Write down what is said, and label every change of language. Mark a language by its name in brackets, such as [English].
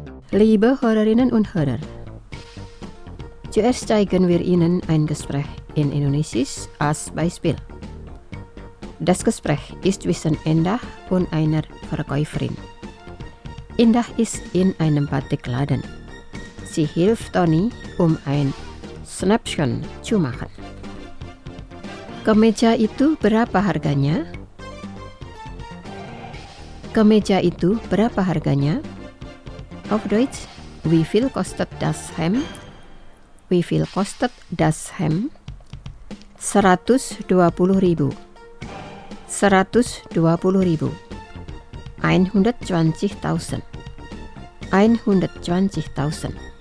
[German] Liebe Hörerinnen und Hörer, zuerst zeigen wir Ihnen ein Gespräch in Indonesisch als Beispiel. Das Gespräch ist zwischen Indah und einer Verkäuferin. Indah ist in einem Batikladen. Sie hilft Tony, um ein Schnäppchen zu machen. [Indonesian] Kemeja itu berapa harganya? Kemeja itu berapa harganya? [German] Auf Deutsch, wie viel kostet das Hemd? Wie viel kostet das Hemd? [Indonesian] 120.000. 120.000. 120.000. 120.000.